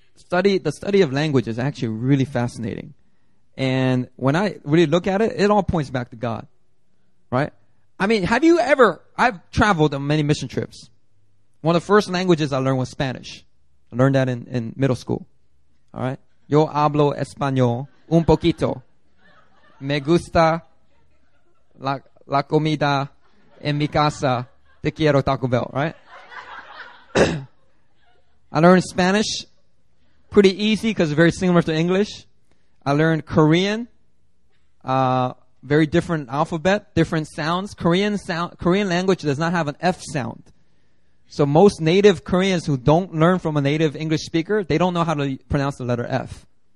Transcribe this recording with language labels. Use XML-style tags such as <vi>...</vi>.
<en>The study of language is actually really fascinating. And when I really look at it, it all points back to God, right? I mean, I've traveled on many mission trips. One of the first languages I learned was Spanish. I learned that in middle school, all right?</en> <es>Yo hablo español un poquito. Me gusta la comida en mi casa. Te quiero Taco Bell,</es> <en>right? I learned Spanish pretty easy because it's very similar to English. I learned Korean, very different alphabet, different sounds. Korean language does not have an F sound. So most native Koreans who don't learn from a native English speaker, they don't know how to pronounce the letter F.</en>